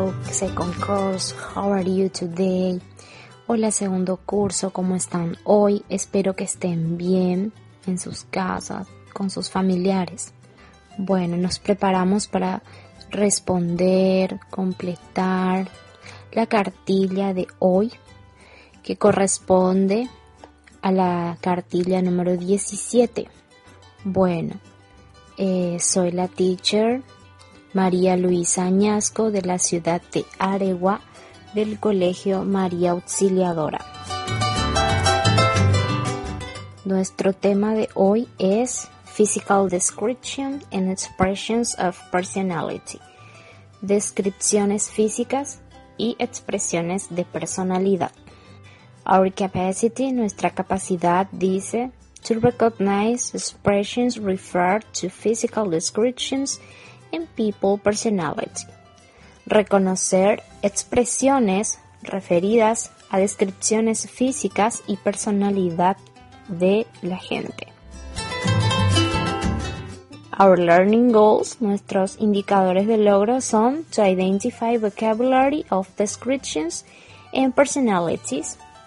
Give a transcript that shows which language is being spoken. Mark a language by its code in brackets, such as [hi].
[en] Second course, how are you today? [es] Hola, segundo curso, ¿cómo están hoy? Espero que estén bien en sus casas, con sus familiares. Bueno, nos preparamos para responder, completar la cartilla de hoy, que corresponde a la cartilla número 17. Bueno, soy la teacher María Luisa Añasco, de la ciudad de Areguá, del Colegio María Auxiliadora. Nuestro tema de hoy es [en] Physical Description and Expressions of Personality. [es] Descripciones físicas y expresiones de personalidad. [en] Our capacity, [es] nuestra capacidad, dice, [en] to recognize expressions refer to physical descriptions in people personality. [es] Reconocer expresiones referidas a descripciones físicas y personalidad de la gente. [en] Our learning goals, [es] nuestros indicadores de logro, son [en] to identify vocabulary of descriptions and personalities.